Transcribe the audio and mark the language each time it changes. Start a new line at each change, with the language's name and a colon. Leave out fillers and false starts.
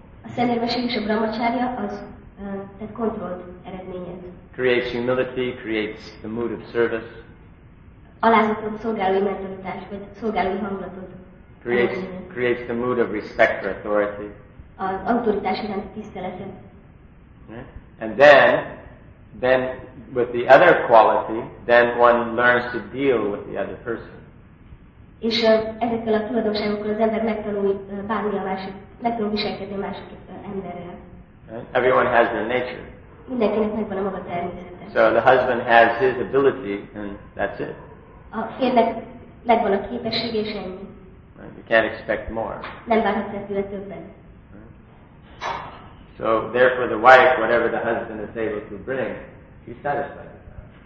Hungarian: A szemérmesség és a brahmacharya az tehát kontrollt eredményez.
English: Creates humility, creates the mood of service.
Hungarian: Alázatot, szolgálói mentalitás, vagy szolgálói hangulatot.
English: Creates the mood of respect for authority.
Hungarian: Az autoritás iránti tiszteletet.
English: And then with the other quality, then one learns to deal with the other person.
Hungarian: És ezekkel a tulajdonságokkal az ember megtanul viselkedni a másik emberrel.
English: Everyone has their nature.
Hungarian: Mindenkinek megvan a maga természete.
English: So the husband has his ability, and that's it.
Hungarian: A férjnek megvan a képessége, és ennyi.
English: You can't expect more.
Hungarian: Nem várhatsz tőle többet.
English: So therefore the wife, whatever the husband is able to bring, she's satisfied with that.